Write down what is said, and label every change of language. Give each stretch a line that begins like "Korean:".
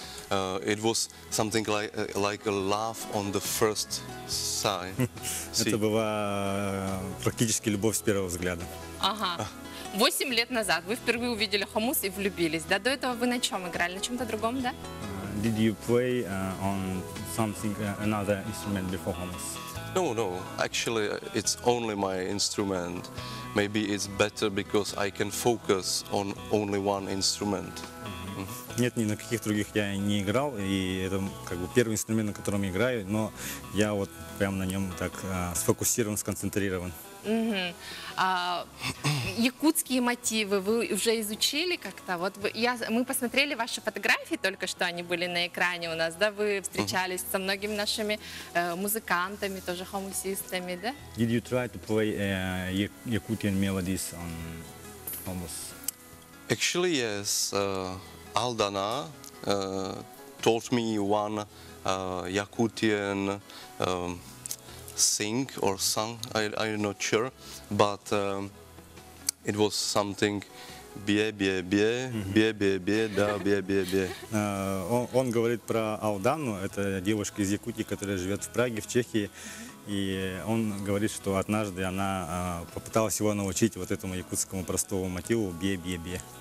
English: It was something like a love on the first sight.
Russian: Это была практически любовь с первого взгляда. Ага. 8 лет назад вы впервые увидели хамус и влюбились, да? До этого вы на чем играли? На чем-то другом, да?
English: Did you play on something, another instrument before hummus? No. Actually, it's only my instrument. Maybe it's better because I can focus on only one instrument.
Russian: Нет, ни на каких других я не играл, и это как бы первый инструмент, на котором я играю, но я вот прям на нем так сфокусирован, сконцентрирован. Угу. А, якутские мотивы вы уже изучили как-то? Вот мы посмотрели ваши фотографии только что, они были на экране у нас, да? Вы встречались со многими нашими музыкантами, тоже хомусистами, да?
English: Did you try to play Yakutian melodies on hummus? Actually, yes. Aldana told me one Yakutian sing or song, I'm not sure, but it was something bie bie bie bie bie bie da bie bie bie.
Russian: Он говорит про Алдану, это девушка из Якутии, которая живет в Праге, в Чехии, и он говорит, что однажды она попыталась его научить вот этому якутскому простому мотиву бие бие бие.